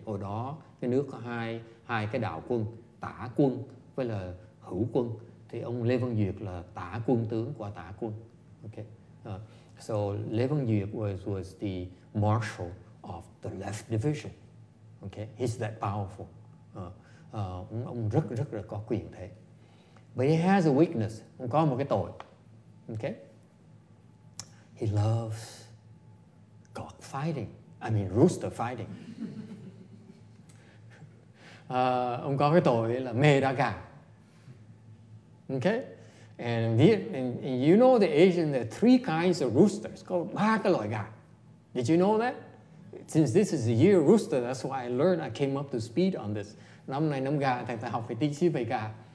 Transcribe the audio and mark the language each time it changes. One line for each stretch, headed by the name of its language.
Vietnamese: Hồi đó cái nước có hai cái đạo quân, tả quân với là hữu quân, thì ông Lê Văn Duyệt là tả quân tướng của tả quân, okay.
English: So Lê Văn Duyệt was the marshal of the left division. Okay, he's that powerful.
Vietnamese: Ông rất rất là có quyền thế.
English: But he has a weakness.
Vietnamese: Ông có một cái tội.
English: Okay. He loves cock fighting. I mean rooster fighting.
Vietnamese: Ông có cái tội là mê đá gà. Okay.
English: And you know the Asian, there are three kinds of roosters.
Vietnamese: Có ba cái loại gà.
English: Did you know that? Since this is a year rooster, that's why I learned, I came up to speed on this.
Vietnamese: Năm nay năm gà, thầy học phải tính xíu về gà.